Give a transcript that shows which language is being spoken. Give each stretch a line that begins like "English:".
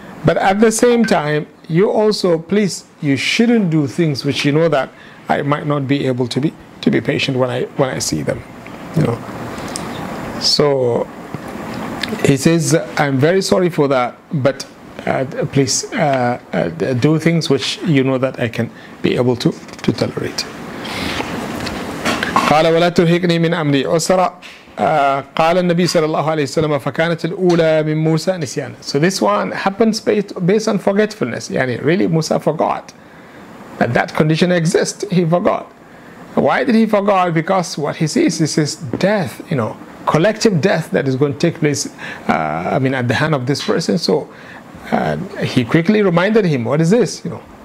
English: But at the same time, you also, please, you shouldn't do things which you know that I might not be able to be patient when I see them, you know. So he says, I'm very sorry for that, but please do things which you know that I can be able to tolerate.
Arabic: قَالَ وَلَا تُرْهِقْنِي مِنْ أَمْرِي أُسْرًا. قال النبي صلى الله عليه وسلم فكانت الأولى من موسى نسيانا.
English: So this one happens based on forgetfulness. يعني really Musa forgot that that condition exists. He forgot. Why did he forgot? Because what he sees is his death, you know, collective death that is going to take place, at the hand of this person. So he quickly reminded him, what is this, you know.